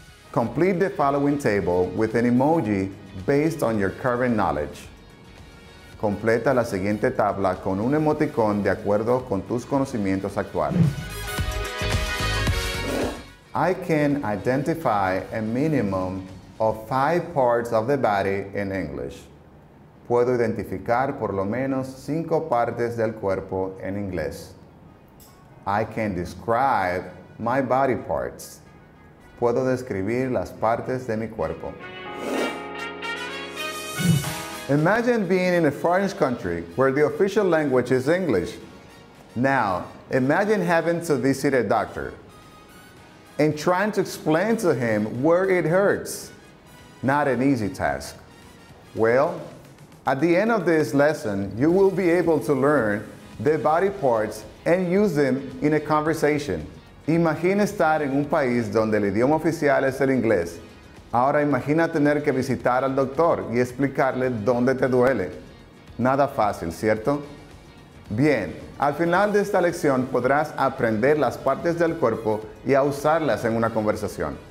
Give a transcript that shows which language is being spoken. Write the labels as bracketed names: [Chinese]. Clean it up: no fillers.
[English] Complete the following table with an emoji based on your current knowledge. [Spanish] Completa la siguiente tabla con un emoticón de acuerdo con tus conocimientos actuales. [English] I can identify a minimum of 5 parts of the body in English. [Spanish] Puedo identificar por lo menos 5 partes del cuerpo en inglés. [English] I can describe my body parts. [Spanish] Puedo describir las partes de mi cuerpo. [English] Imagine being in a foreign country where the official language is English. Now, imagine having to visit a doctor and trying to explain to him where it hurts. Not an easy task. Well, at the end of this lesson, you will be able to learn the body parts and use them in a conversation. [Spanish] Imagina estar en un país donde el idioma oficial es el inglés. Ahora imagina tener que visitar al doctor y explicarle dónde te duele. Nada fácil, ¿cierto? Bien, al final de esta lección podrás aprender las partes del cuerpo y a usarlas en una conversación.